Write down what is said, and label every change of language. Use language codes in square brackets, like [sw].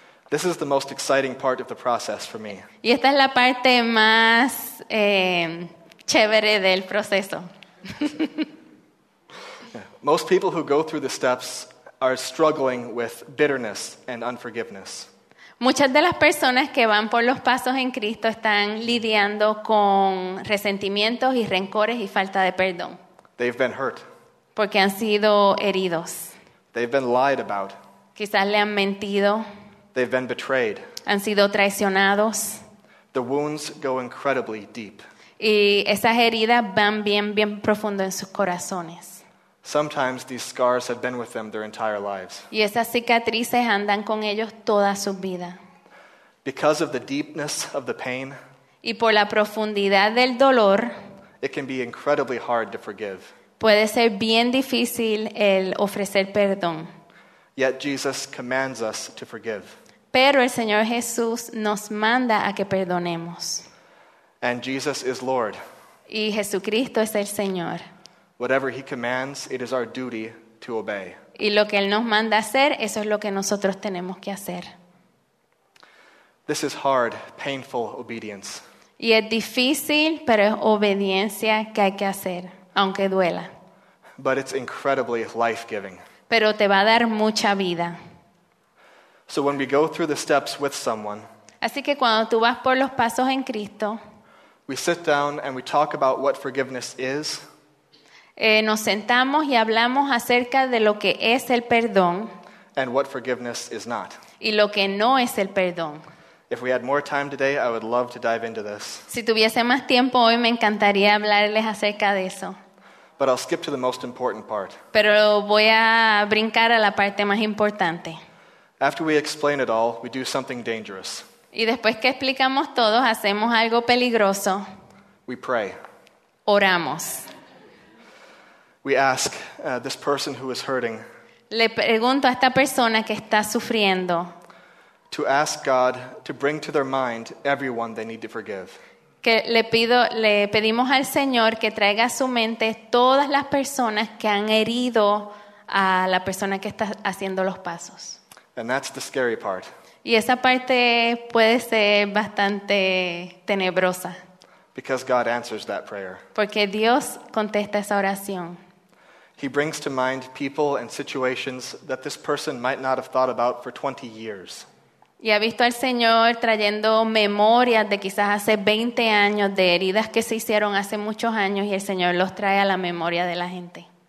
[en] This is the most exciting part of the process for me. [es] Y esta es la parte más chévere del proceso. [en] Most people who go through the steps are struggling with bitterness and unforgiveness. [es] Muchas de las personas que van por los pasos en Cristo están lidiando con resentimientos y rencores y falta de perdón. [en] They've been hurt. [es] Porque han sido heridos. [en] They've been lied about. [es] Quizás le han mentido. [en] They've been betrayed. [es] Han sido traicionados. [en] The wounds go incredibly deep. [es] Y esas heridas van bien, bien profundo en sus corazones. [en] Sometimes these scars have been with them their entire lives. [es] Y esas cicatrices andan con ellos toda su vida. [en] Because of the deepness of the pain, [es] y por la profundidad del dolor, [en] it can be incredibly hard to forgive. [es] Puede ser bien difícil el ofrecer perdón. [en] Yet Jesus commands us to forgive. [es] Pero el Señor Jesús nos manda a que perdonemos. [en] And Jesus is Lord. [es] Y Jesucristo es el Señor. [en] Whatever he commands, it is our duty to obey. [es] Y lo que él nos manda hacer, eso es lo que nosotros tenemos que hacer. [en] This is hard, painful obedience. [es] Y es difícil, pero es obediencia que hay que hacer, aunque duela. [en] But it's incredibly life-giving. [es] Pero te va a dar mucha vida. [en] So when we go through the steps with someone, [es] así que cuando tú vas por los pasos en Cristo, [en] we sit down and we talk about what forgiveness is. [es] Nos sentamos y hablamos acerca de lo que es el perdón. [en] And what forgiveness is not. [es] Y lo que no es el perdón. [en] If we had more time today, I would love to dive into this. [es] Si tuviese más tiempo hoy, me encantaría hablarles acerca de eso. [en] But I'll skip to the most important part. [es] Pero voy a brincar a la parte más importante. [en] After we explain it all, we do something dangerous. [es] Y después que explicamos todo, hacemos algo peligroso. [en] We pray. [es] Oramos. [en] We ask this person who is hurting. [es] Le pregunto a esta persona que está sufriendo. [en] To ask God to bring to their mind everyone they need to forgive. [es] Que le pedimos al Señor que traiga a su mente todas las personas que han herido a la persona que está haciendo los pasos. [en] And that's the scary part. [es] Y esa parte puede ser bastante tenebrosa. [en] Because God answers that prayer. [es] Porque Dios contesta esa oración. [en] He brings to mind people and situations that this person might not have thought about for 20 years. [es] Y ha visto al Señor trayendo memorias de quizás hace 20 años, de heridas que se hicieron hace muchos años, y el Señor los trae a la memoria de la gente.